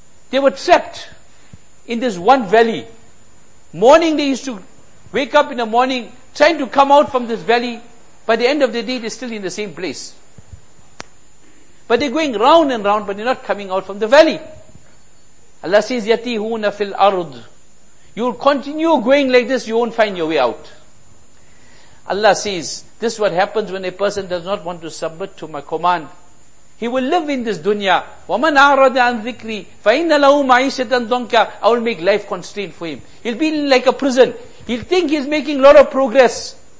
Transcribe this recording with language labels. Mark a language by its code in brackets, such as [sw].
[en] They were trapped in this one valley. Morning they used to wake up in the morning trying to come out from this valley. By the end of the day, they're still in the same place. But they're going round and round, but they're not coming out from the valley. [ar] Allah says, يَتِيهُونَ فِي الْأَرْضِ. [en] You'll continue going like this, you won't find your way out. Allah says, this is what happens when a person does not want to submit to my command. He will live in this dunya. [ar] وَمَنْ أَعْرَضَ عَنْ ذِكْرِي فَإِنَّ لَهُ مَعِيشَةً ضَنْكًا. [en] I will make life constrained for him. He'll be like a prison. He'll think he's making a lot of progress.